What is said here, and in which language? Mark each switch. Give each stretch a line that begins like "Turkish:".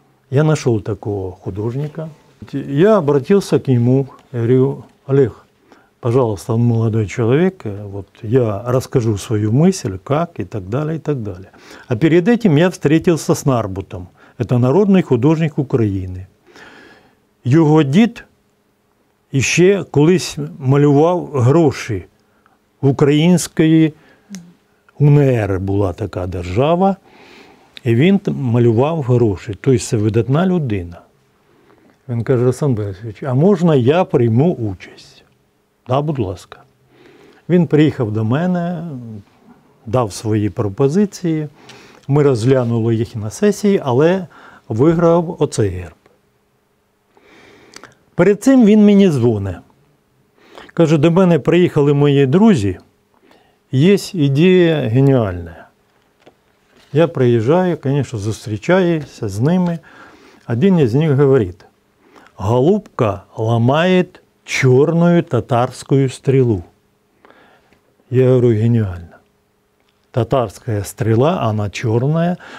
Russian: Я нашел такого художника. Я обратился к нему, говорю, Олег, пожалуйста, он молодой человек, вот я расскажу свою мысль, как и так далее, и так далее. А перед этим я встретился с Нарбутом. Это народный художник Украины. Его дед еще
Ukrainian: колись малював гроші української. УНР була така держава, і він малював гроші. Тобто це видатна людина. Він каже, Руслан Борисович, а можна я прийму участь? Да, будь ласка. Він приїхав до мене, дав свої пропозиції. Ми розглянули їх на сесії, але виграв оцей герб. Перед цим він мені дзвонить. Каже, до мене приїхали мої друзі.
Russian: Есть идея гениальная. Я приезжаю, конечно, встречаюсь с ними. Один из них говорит, голубка ломает черную татарскую стрелу. Я говорю, гениально. Татарская стрела, она черная.